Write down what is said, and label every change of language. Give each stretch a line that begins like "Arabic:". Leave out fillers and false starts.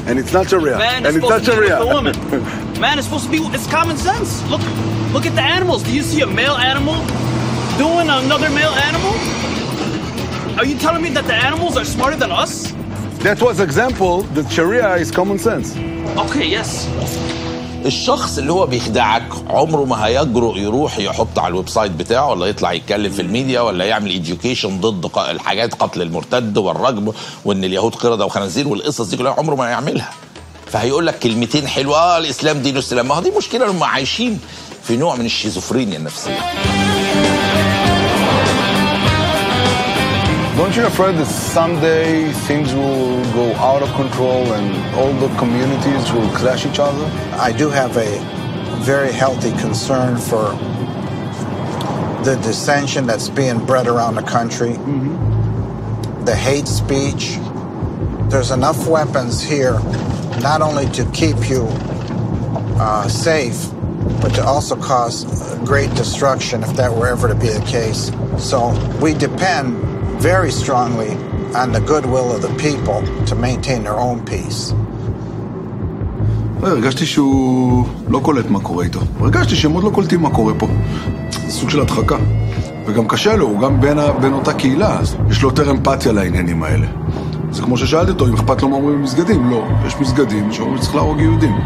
English: And it's not Sharia. And it's not Sharia. Man is supposed to be, it's common sense. Look at the animals. Do you see a male animal doing another male animal? Are you telling me that the animals are smarter than us? That was example that Sharia is common sense. Okay, yes.
Arabic: الشخص اللي هو بيخدعك عمره ما هيجرؤ يروح يحط على الويب سايت بتاعه ولا يطلع يتكلم في الميديا ولا يعمل ايديوكيشن ضد الحاجات قتل المرتد والرجم وان اليهود قرده وخنازير والقصص دي كلها عمره ما هيعملها. فهيقول لك كلمتين حلوه، الاسلام دين السلام. ما هو دي مشكله لما عايشين في نوع من الشيزوفرينيا النفسيه.
English: Don't you afraid that someday things will go out of control and all the communities will clash each other? I do have a very healthy concern for the dissension that's being bred around the country, the hate speech. There's enough weapons here not only to keep you safe, but to also cause great destruction if that were ever to be the case. So we depend very strongly on the goodwill of the people to maintain their own peace.
Hebrew: הרגשתי שהוא לא קולט מה קורה איתו. הרגשתי שהם עוד לא קולטים מה קורה פה. סוג של הדחקה. וגם קשה לו, הוא גם בין אותה קהילה, אז יש לו יותר אמפתיה לעניינים האלה. זה כמו ששאלתי אותו, אם אכפת לו מה אומרים במסגדים? לא, יש מסגדים שאומרים שצריך להרוג יהודים.